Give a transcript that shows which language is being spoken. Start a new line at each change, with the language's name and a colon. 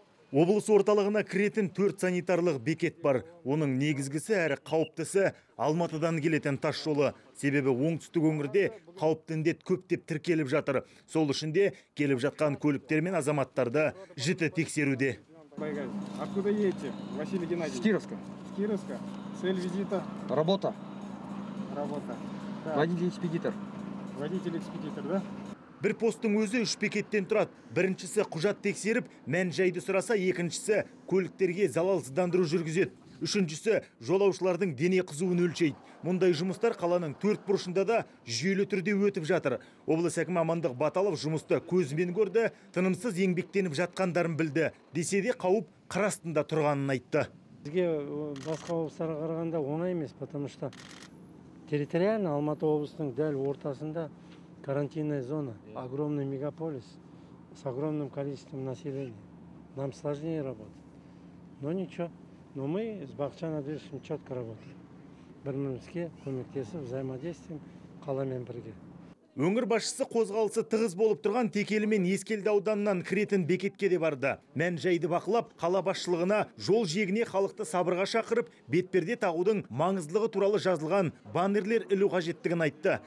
Kazakh: Облыс орталығына кіретін 4 санитарлық бекет бар. Оның негізгісі әрі қауіптісі Алматыдан келетін тас жолы. Себебі оңтүстік өңірде қауіпті індет көптеп тіркеліп жатыр. Сол ішінде келіп жатқан көліктер мен азаматтарды жіті тексеруде.
Russian: Откуда едете, Василий Геннадьевич? С Кировска. С Кировска. Цель визита? Работа. Работа. Да. Водитель-экспедитор. Водитель-экспедитор, да?
Kazakh: Бір постың өзі үш бекеттен тұрады. Біріншісі құжат тексеріп, мән-жайды сұраса, екіншісі көліктерге залалсыздандыру жүргізеді. Үшіншісі жолаушылардың дене қызуын өлшейді. Мұндай жұмыстар қаланың 4 бұрышында да жүйелі түрде өтіп жатыр. Облыс әкімі Амандық Баталов жұмысты көзімен көрді, тынымсыз еңбектеніп жатқандарын білді. Десе де қауіп қыр астында тұрғанын айтты. Бізге басқа облыстарға қарағанда оңай емес,
Russian: потому что территориально
Kazakh: Алматы облысының дәл ортасында
Russian: карантинная зона, огромный мегаполис с огромным количеством населения. Нам сложнее работать. Но ничего. Но мы с Бахчаном Дышим четко работаем.
Kazakh: Бірмімізге көмектесіп,
Russian: взаимодействуем,
Kazakh: қаламен бірге. Өңір басшысы қозғалысы тығыз болып тұрған Текелі мен Ескелді ауданынан кіретін бекетке де барды. Мән жайды бақылап, қала басшылығына жол жиегіне халықты сабырға шақырып, бетперде тағудың маңыздылығы туралы жазылған баннерлер ілу қажеттігін айтты.